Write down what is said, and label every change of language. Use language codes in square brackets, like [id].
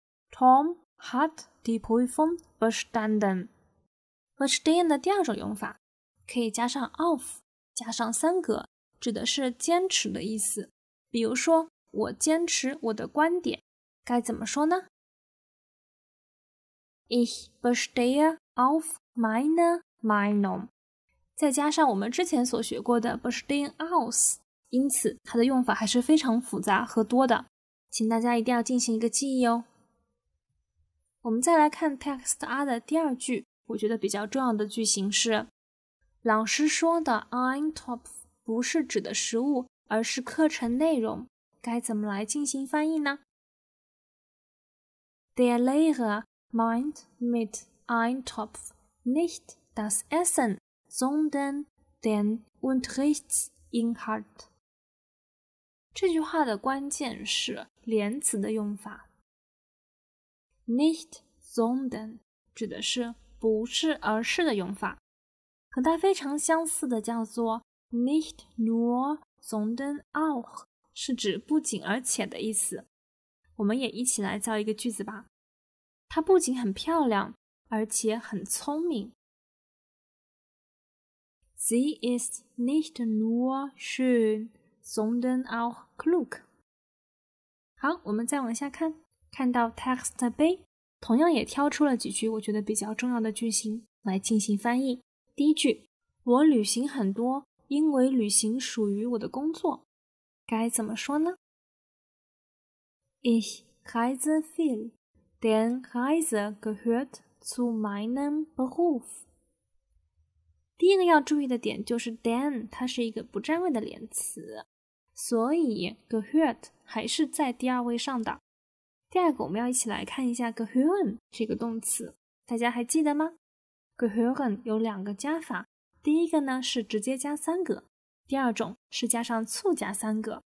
[de] TomHat die Prüfung bestanden。 [zh] bestehen 的第二种用法可以加上 auf 加上三格，指的是坚持的意思，比如说我坚持我的观点，该怎么说呢？ [de] Ich bestehe auf meine Meinung， [zh] 再加上我们之前所学过的 bestehen aus， 因此它的用法还是非常复杂和多的，请大家一定要进行一个记忆哦。我们再来看 text R 的第二句，我觉得比较重要的句型是，老师说的 Eintopf 不是指的食物，而是课程内容，该怎么来进行翻译呢？ [de] Der Lehrer meint mit Eintopf nicht das Essen, sondern den Unterrichtsinhalt。 [zh] 这句话的关键是连词的用法。 Nicht, sondern 指的是不是而是的用法，和它非常相似的叫做 nicht nur, sondern auch, 是指不仅而且的意思。我们也一起来造一个句子吧。它不仅很漂亮，而且很聪明。 [de] Sie ist nicht nur schön, sondern auch klug. [zh] 好，我们再往下看。看到 text B， 同样也挑出了几句我觉得比较重要的句型来进行翻译。第一句，我旅行很多，因为旅行属于我的工作，该怎么说呢？ [de] Ich reise viel, denn Reise gehört zu meinem Beruf。 [zh] 第一个要注意的点就是 denn 它是一个不占位的连词，所以 gehört 还是在第二位上的。第二个，我们要一起来看一下 gehören 这个动词，大家还记得吗？ gehören 有两个加法，第一个呢是直接加三个，第二种是加上zu加三个。